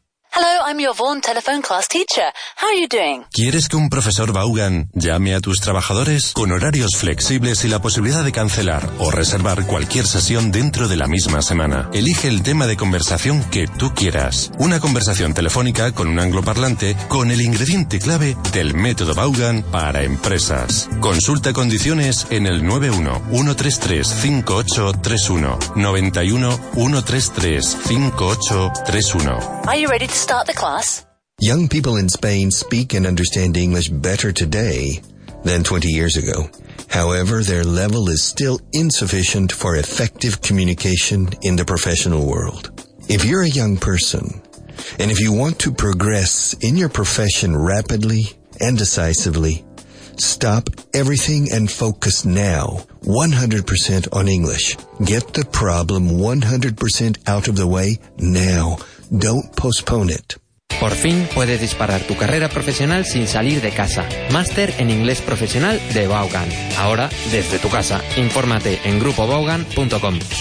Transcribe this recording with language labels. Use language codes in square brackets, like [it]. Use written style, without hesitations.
[en] Hello, I'm your Vaughan telephone class teacher. How are you doing? [es] ¿Quieres que un profesor Vaughan llame a tus trabajadores? Con horarios flexibles y la posibilidad de cancelar o reservar cualquier sesión dentro de la misma semana. Elige el tema de conversación que tú quieras. Una conversación telefónica con un angloparlante con el ingrediente clave del método Vaughan para empresas. Consulta condiciones en el 91-133-5831. 91-133-5831. [en] Are you ready to start the class? Young people in Spain speak and understand English better today than 20 years ago. However, their level is still insufficient for effective communication in the professional world. If you're a young person And if you want to progress in your profession rapidly and decisively, stop everything and focus now 100% on English. Get the problem 100% out of the way now. Don't postpone it. [es] Por fin puedes disparar tu carrera profesional sin salir de casa. Máster en inglés profesional de Vaughan. Ahora desde tu casa. Infórmate en grupovaughan.com.